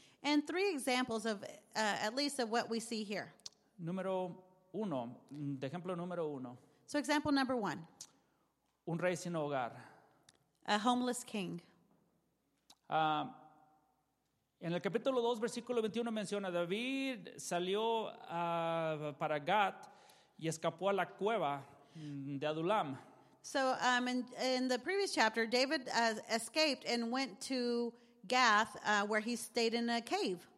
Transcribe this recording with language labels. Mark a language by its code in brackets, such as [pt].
[en] And three examples of at least of what we see here. [es] Número uno, de ejemplo número uno. [en] So example number one. [es] Un rey sin hogar. [en] A homeless king. [es] En el capítulo 2, versículo 21 menciona David salió para Gat y escapó a la cueva de Adulam. [en] So in the previous chapter, David escaped and went to Gath, where he stayed in a cave.